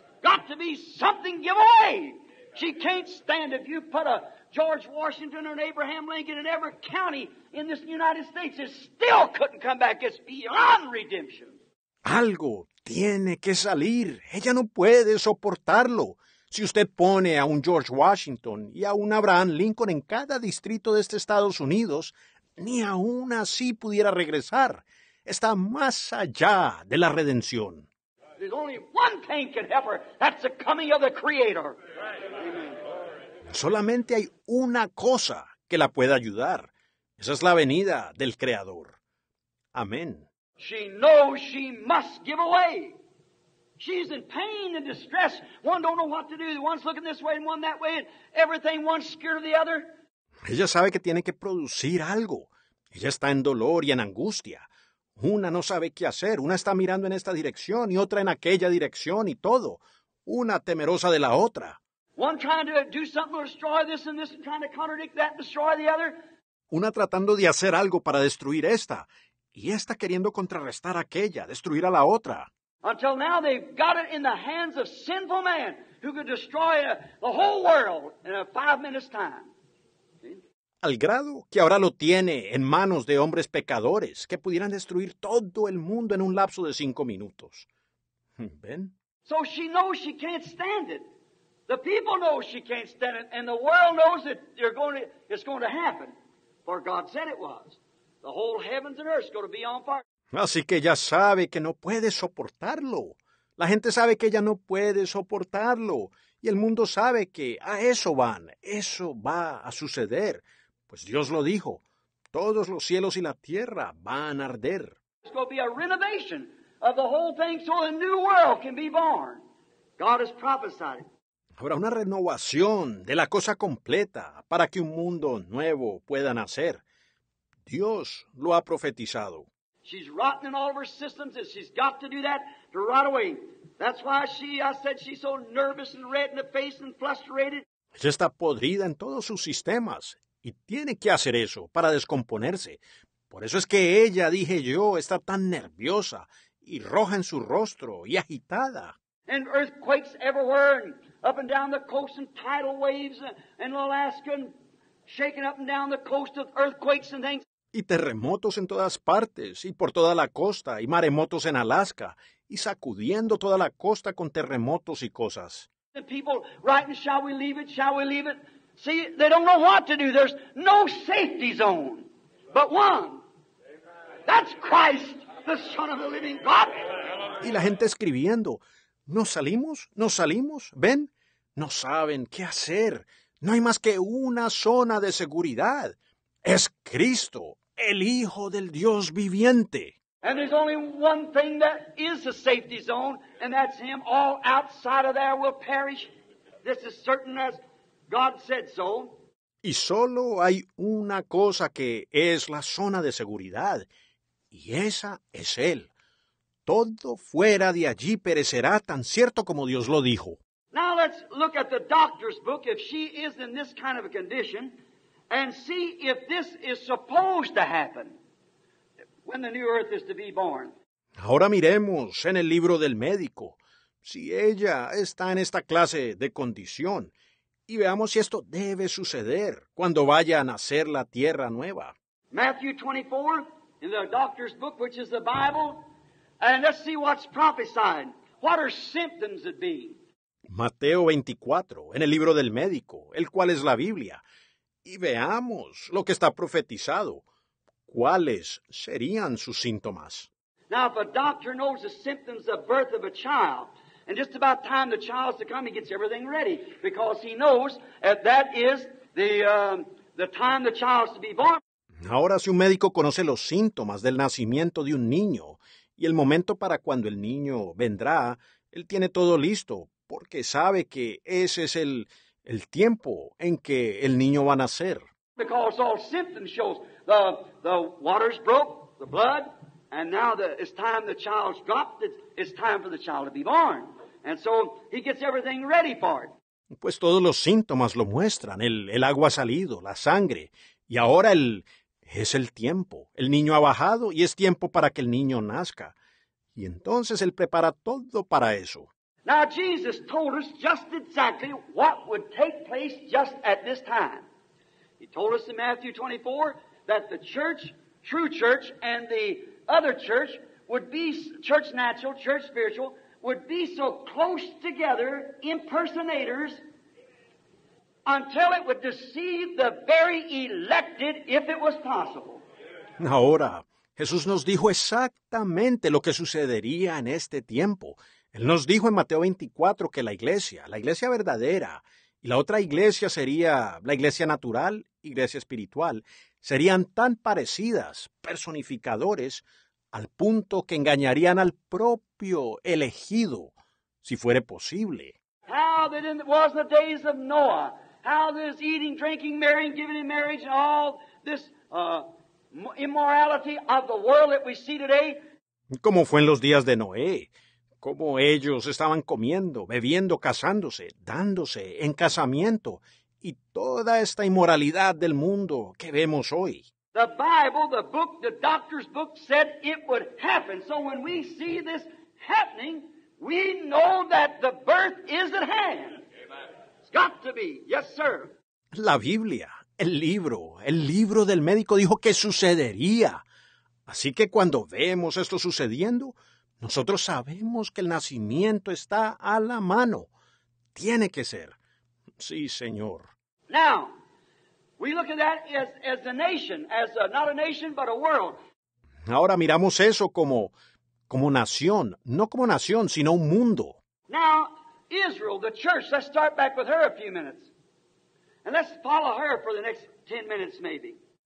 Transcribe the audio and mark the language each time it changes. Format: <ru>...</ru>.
<en>Got to be something give away. She can't stand if you put a George Washington or an Abraham Lincoln in every county in this United States. It still couldn't come back. It's beyond redemption.</en> <es>Algo tiene que salir. Ella no puede soportarlo. Si usted pone a un George Washington y a un Abraham Lincoln en cada distrito de este Estados Unidos, ni aún así pudiera regresar. Está más allá de la redención.</es> <en>There's only one thing can help her. That's the coming of the Creator. Amen.</en> <es>Solamente hay una cosa que la pueda ayudar. Esa es la venida del Creador. Amén.</es> <en>She knows she must give away. She's in pain and distress. One don't know what to do. One's looking this way and one that way. And everything, one's scared of the other.</en> <es>Ella sabe que tiene que producir algo. Ella está en dolor y en angustia. Una no sabe qué hacer. Una está mirando en esta dirección y otra en aquella dirección y todo. Una temerosa de la otra.</es> <en>One trying to do something to destroy this and this and trying to contradict that and destroy the other.</en> <es>Una tratando de hacer algo para destruir esta y esta queriendo contrarrestar aquella, destruir a la otra.</es> <en>Until now they've got it in the hands of sinful man who could destroy the whole world in a 5 minutes time.</en> <es>Al grado que ahora lo tiene en manos de hombres pecadores que pudieran destruir todo el mundo en un lapso de 5 minutos. ¿Ven?</es> <en>So she knows she can't stand it. The people know she can't stand it, and the world knows that it's going to happen. For God said it was. The whole heavens and earth is going to be on fire.</en> <es>Así que ella sabe que no puede soportarlo. La gente sabe que ella no puede soportarlo. Y el mundo sabe que a eso van. Eso va a suceder. Pues Dios lo dijo, todos los cielos y la tierra van a arder.</es> <en>It's going to be a renovation of the whole thing so a new world can be born. God has prophesied it.</en> <es>Habrá una renovación de la cosa completa para que un mundo nuevo pueda nacer. Dios lo ha profetizado.</es> <en>She's rotten in all of her systems and she's got to do that to rot away. That's why I said she's so nervous and red in the face and flustered.</en> <es>Ella está podrida en todos sus sistemas y tiene que hacer eso para descomponerse. Por eso es que ella, dije yo, está tan nerviosa y roja en su rostro y agitada.</es> <en>And earthquakes everywhere, and up and down the coast, and tidal waves in Alaska, and shaking up and down the coast of earthquakes and things.</en> <es>Y terremotos en todas partes, y por toda la costa, y maremotos en Alaska, y sacudiendo toda la costa con terremotos y cosas.</es> <en>The people writing, shall we leave it, shall we leave it? See, they don't know what to do. There's no safety zone but one. That's Christ, the Son of the living God.</en> <es>Y la gente escribiendo, ¿nos salimos? ¿Nos salimos? ¿Ven? No saben qué hacer. No hay más que una zona de seguridad. Es Cristo, el Hijo del Dios viviente.</es> <en>And there's only one thing that is a safety zone, and that's Him. All outside of there will perish. This is certain as God said so.</en> <es>Y solo hay una cosa que es la zona de seguridad, y esa es Él. Todo fuera de allí perecerá, tan cierto como Dios lo dijo.</es> <en>Now let's look at the doctor's book, if she is in this kind of a condition, and see if this is supposed to happen when the new earth is to be born.</en> <es>Ahora miremos en el libro del médico, si ella está en esta clase de condición, y veamos si esto debe suceder cuando vaya a nacer la tierra nueva.</es> <en>Matthew 24, in the doctor's book, which is the Bible, and let's see what's prophesied. What are symptoms it being?</en> <es>Mateo 24, en el libro del médico, el cual es la Biblia. Y veamos lo que está profetizado. ¿Cuáles serían sus síntomas?</es> <en>Now, if a doctor knows the symptoms of birth of a child, and just about time the child's to come, he gets everything ready, because he knows that that is the time the child's to be born.</en> <es>Ahora, si un médico conoce los síntomas del nacimiento de un niño, y el momento para cuando el niño vendrá, él tiene todo listo, porque sabe que ese es el tiempo en que el niño va a nacer.</es> <en>Because all symptoms show the water's broke, the blood, and now it's time the child's dropped, it's time for the child to be born. And so he gets everything ready for it.</en> <es>Pues todos los síntomas lo muestran, el agua ha salido, la sangre, y ahora es el tiempo. El niño ha bajado y es tiempo para que el niño nazca. Y entonces él prepara todo para eso.</es> <en>Now Jesus told us just exactly what would take place just at this time. He told us in Matthew 24 that the church, true church, and the other church would be, church natural, church spiritual, would be so close together, impersonators, until it would deceive the very elected if it was possible.</en> <es>Ahora, Jesús nos dijo exactamente lo que sucedería en este tiempo. Él nos dijo en Mateo 24 que la iglesia verdadera, y la otra iglesia sería la iglesia natural, iglesia espiritual, serían tan parecidas, personificadores, al punto que engañarían al propio elegido, si fuere posible.</es> <en>How that in the, was the days of Noah, how this eating, drinking, marrying, giving in marriage, and all this immorality of the world that we see today.</en> <es>Como fue en los días de Noé. Cómo ellos estaban comiendo, bebiendo, casándose, dándose en casamiento, y toda esta inmoralidad del mundo que vemos hoy.</es> <en>The Bible, the book, the doctor's book said it would happen. So when we see this happening, we know that the birth is at hand. Amen. It's got to be. Yes, sir.</en> <es>La Biblia, el libro del médico dijo que sucedería. Así que cuando vemos esto sucediendo, nosotros sabemos que el nacimiento está a la mano. Tiene que ser. Sí, Señor.</es> <en>Now, we look at that as a nation, as a, not a nation, but a world.</en> <es>Ahora miramos eso como nación, no como nación, sino un mundo.</es> <en>Now, Israel, the church, let's start back with her a few minutes. And let's follow her for the next 10 minutes, maybe.</en>